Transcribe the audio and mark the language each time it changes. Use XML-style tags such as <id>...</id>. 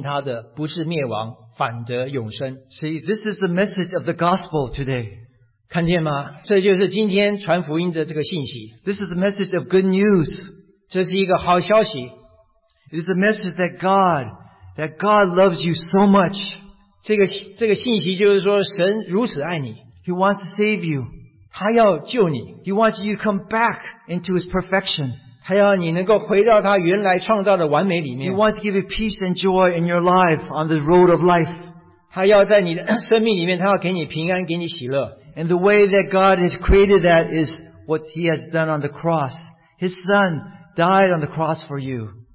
<zh>我们为着约翰福音3:16感谢主，因为圣经上在这节经文是这样说：神爱世人，甚至将他的独生子赐给他们，叫一切信他的不是灭亡，反得永生。</zh> <en>See, this is the message of the gospel today.</en> <zh>看见吗？这就是今天传福音的这个信息。</zh> <en>This is the message of good news.</en> <zh>这是一个好消息。</zh> <en>It is the message that God loves you so much.</en> <zh>这个信息就是说神如此爱你。</zh> <en>He wants to save you.</en> <zh>他要救你。</zh> <en>He wants you to come back into his perfection.</en> <zh>他要你能够回到他原来创造的完美里面。</zh> <en>He wants to give you peace and joy in your life on the road of life.</en> <zh>他要在你的生命里面，他要给你平安，给你喜乐。</zh> <en>And the way that God has created that is what he has done on the cross. His son died on the cross for you.</en>